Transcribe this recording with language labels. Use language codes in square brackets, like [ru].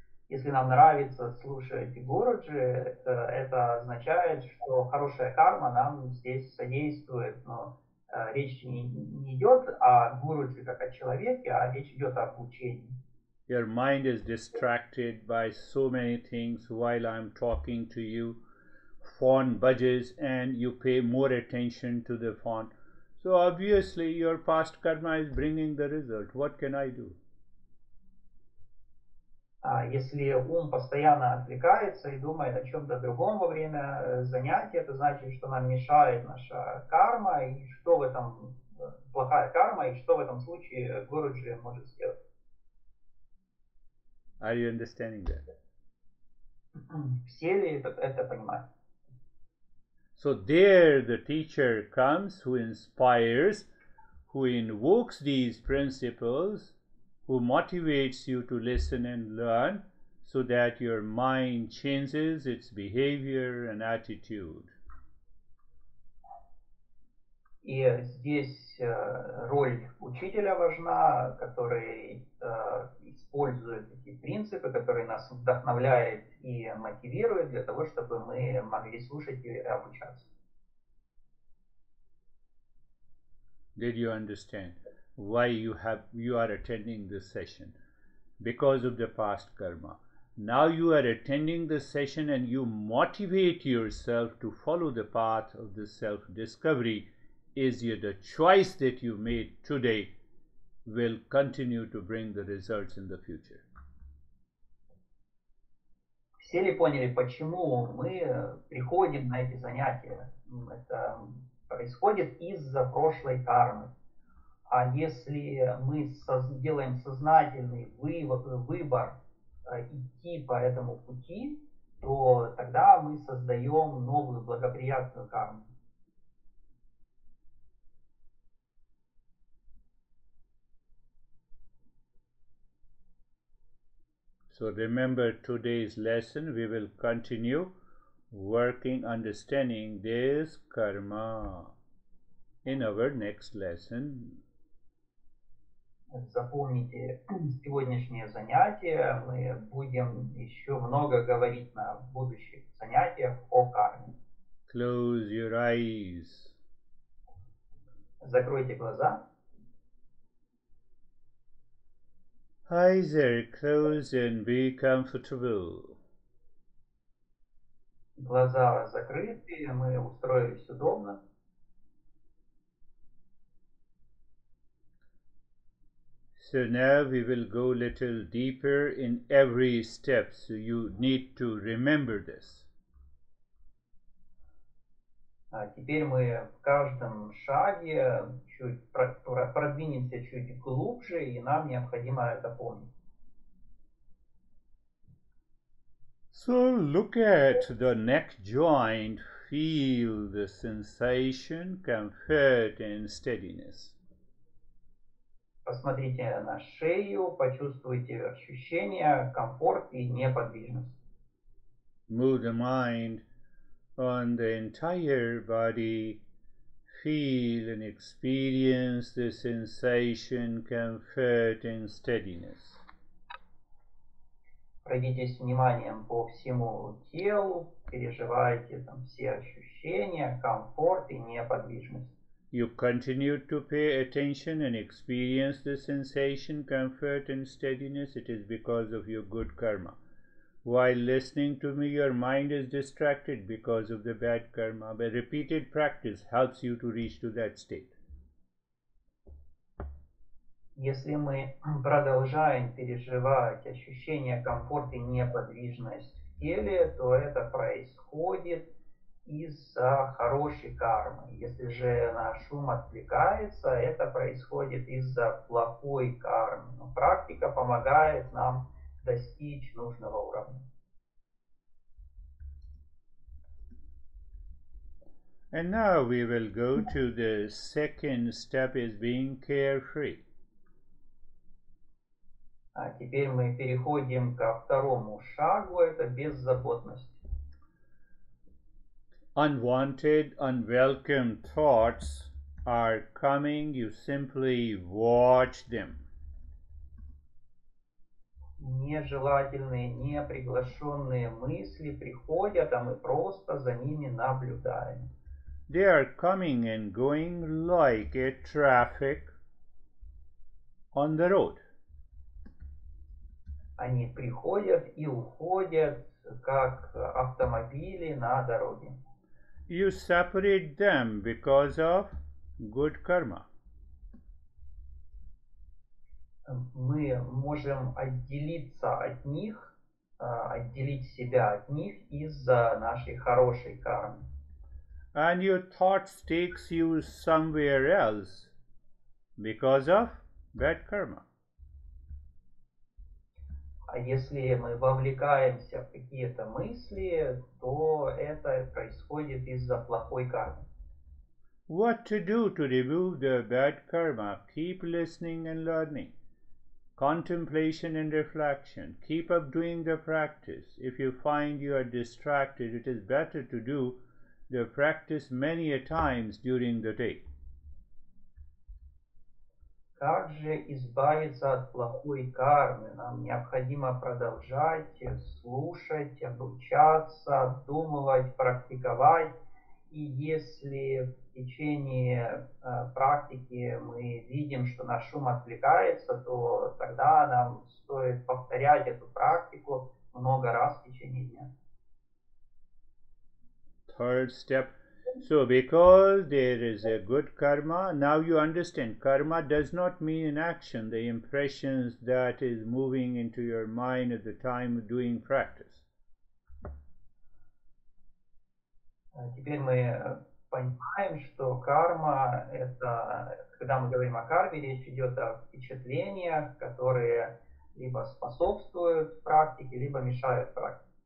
[ru] Если нам нравится слушать Гуруджи, это означает, что хорошая карма нам здесь содействует. Но речь не идет о Гуруджи как о человеке, а речь идет об учении. [en] Your mind is distracted by so many things while I'm talking to you. Phone buzzes and you pay more attention to the phone. So obviously your past karma is bringing the result. What can I do? [ru] Если ум постоянно отвлекается и думает о чем-то другом во время занятия, это значит, что нам мешает наша карма, и что в этом плохая карма, и что в этом случае Гуруджи может сделать. [en] Are you understanding that? [ru] Все ли это понимают? [en] So there the teacher comes who inspires, who invokes these principles, who motivates you to listen and learn so that your mind changes its behavior and attitude. [ru] И здесь роль учителя важна, который используют эти принципы, которые нас вдохновляют и мотивируют для того, чтобы мы могли слушать и обучаться. [en] Did you understand why you are attending this session? Because of the past karma. Now you are attending this session and you motivate yourself to follow the path of the self-discovery. Is it the choice that you made today will continue to bring the results in the future? [ru] Все ли поняли, почему мы приходим на эти занятия? Это происходит из-за прошлой кармы. А если мы делаем сознательный выбор идти по этому пути, то тогда мы создаем новую благоприятную карму. [en] So remember today's lesson, we will continue working, understanding this karma in our next lesson. [ru] Запомните сегодняшнее занятие, мы будем еще много говорить на будущих занятиях о карме. [en] Close your eyes. [ru] Закройте глаза. [en] Eyes are closed and be comfortable. [ru] Глаза закрыты, мы устроились удобно. [en] So now we will go a little deeper in every step, so you need to remember this. [ru] Теперь мы в каждом шаге чуть продвинемся чуть глубже, и нам необходимо это помнить. [en] So look at the neck joint, feel the sensation, comfort and steadiness. [ru] Посмотрите на шею, почувствуйте ощущение, комфорт и неподвижность. [en] Move the mind on the entire body, feel and experience the sensation, comfort and steadiness. [ru] Пройдитесь вниманием по всему телу, переживайте там все ощущения, комфорт и неподвижность. [en] You continue to pay attention and experience the sensation, comfort and steadiness. It is because of your good karma. While listening to me, your mind is distracted because of the bad karma, but repeated practice helps you to reach to that state. [ru] Если мы продолжаем переживать ощущение комфорта и неподвижность в теле, то это происходит из-за хорошей кармы. Если же наш ум отвлекается, это происходит из-за плохой кармы. Но практика помогает нам достичь нужного уровня. [en] And now we will go to the second step is being carefree. [ru] А теперь мы переходим ко второму шагу, это беззаботность. [en] Unwanted, unwelcome thoughts are coming, you simply watch them. [ru] Нежелательные, неприглашенные мысли приходят, а мы просто за ними наблюдаем. [en] They are coming and going like a traffic on the road. [ru] Они приходят и уходят, как автомобили на дороге. [en] You separate them because of good karma. [ru] Мы можем отделиться от них, отделить себя от них из-за нашей хорошей кармы. [en] And your thoughts takes you somewhere else because of bad karma. [ru] А если мы вовлекаемся в какие-то мысли, то это происходит из-за плохой кармы. [en] What to do to remove the bad karma? Keep listening and learning. Contemplation and reflection. Keep up doing the practice. If you find you are distracted, it is better to do the practice many a times during the day. [ru] также избавиться от плохой кармы. Нам необходимо продолжать слушать, обучаться, думать, практиковать. И если в течение практики мы видим, что наш ум отвлекается, то тогда нам стоит повторять эту практику много раз в течение дня. [en] Third step. So because there is a good karma, now you understand karma does not mean an action, the impressions that is moving into your mind at the time of doing practice. [ru] Теперь мы понимаем, что карма – это, когда мы говорим о карме, речь идет о впечатлениях, которые либо способствуют практике, либо мешают практике.